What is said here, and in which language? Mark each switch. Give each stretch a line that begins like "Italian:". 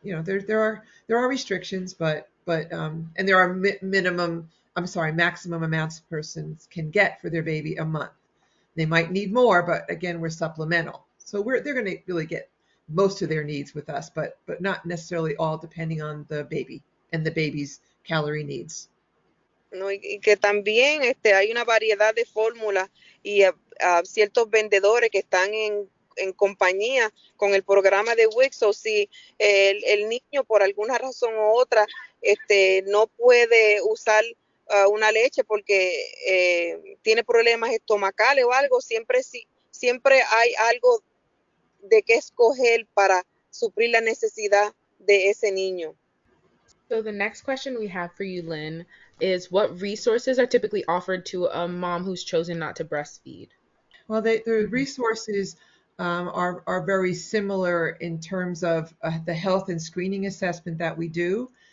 English: You know, there are restrictions, but there are maximum amounts persons can get for their baby a month. They might need more, but again, we're supplemental. So they're going to really get most of their needs with us, but not necessarily all, depending on the baby and the baby's calorie needs.
Spanish: No, y que también hay una variedad de fórmulas y ciertos vendedores que están en compañía con el programa de WIC. So si el niño por alguna razón u otra no puede usar una leche porque tiene problemas estomacales o algo, siempre hay algo de qué escoger para suplir la necesidad de ese niño.
English: So the next question we have for you, Lynn, is what resources are typically offered to a mom who's chosen not to breastfeed? Well, the resources are very similar in terms of the health and screening assessment that we do.